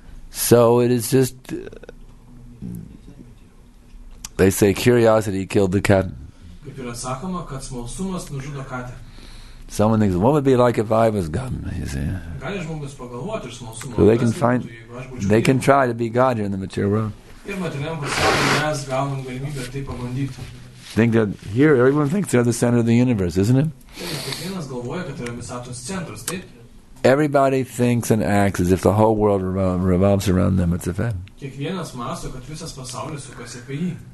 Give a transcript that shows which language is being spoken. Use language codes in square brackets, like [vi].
[en] So it is just, they say, curiosity killed the cat. [lt] Kaip yra sakoma, kad smalsumas nužudo katę. [en] Someone thinks, what would be like if I was God? You see. [lt] Gali žmogus pagalvoti ir smalsumą. [en] So they can find, they can try to be God here in the material world. [lt] Ir materialiam pasaulyje mes gaunam galimybę tai pabandyti. [en] Think that here everyone thinks they're the center of the universe, isn't it? [lt] Kiekvienas galvoja, kad yra visatos centras, taip? [en] Everybody thinks and acts as if the whole world revolves around them. It's a fact. [lt] Kiekvienas mąsto, kad visas pasaulis sukasi apie jį.